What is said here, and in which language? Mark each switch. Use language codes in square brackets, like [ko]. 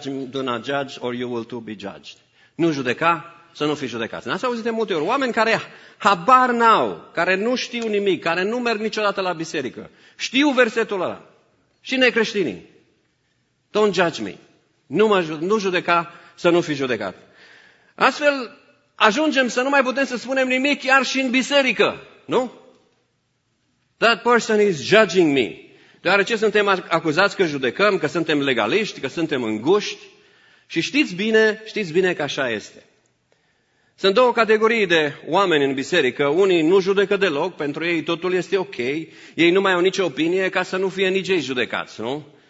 [en] Do not judge or you will too be judged. [ro] Nu judeca, să nu fii judecat. N-ați auzit de multe ori oameni care habar n-au, care nu știu nimic, care nu merg niciodată la biserică. Știu versetul ăla. Și necreștinii. [en] Don't judge me. [ro] Nu judeca, să nu fii judecat. Astfel ajungem să nu mai putem să spunem nimic chiar și în biserică, nu? [en] That person is judging me. [ro] Deoarece suntem acuzați că judecăm, că suntem legaliști, că suntem înguști. Și știți bine că așa este. Sunt două categorii de oameni în biserică. Unii nu judecă deloc, pentru ei totul este ok. Ei nu mai au nicio opinie ca să nu fie nici ei judecați, nu?